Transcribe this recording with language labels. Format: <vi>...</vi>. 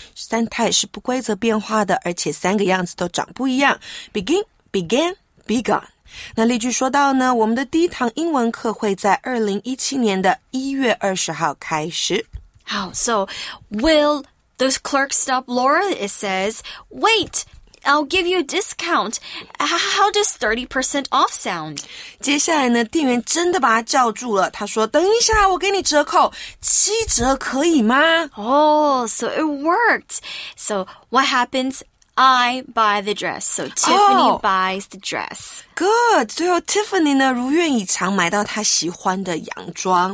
<zh>三态是不规则变化的，而且三个样子都长不一样。</zh> <en>Begin, began, begun。</en> <zh>那例句说到呢，我们的第一堂英文课会在2017年的1月20号开始。</zh> <en>好 so will... The clerk stopped Laura. It says, wait, I'll give you a discount. How does 30% off sound?</en> <zh>接下来呢，店员真的把他叫住了。他说，等一下，我给你折扣。七折可以吗？</zh> <en>Oh, so it worked. So what happens? I buy the dress. So Tiffany buys the dress.</en> <zh>Good. 最后 Tiffany 呢，如愿以偿买到她喜欢的洋装。</zh>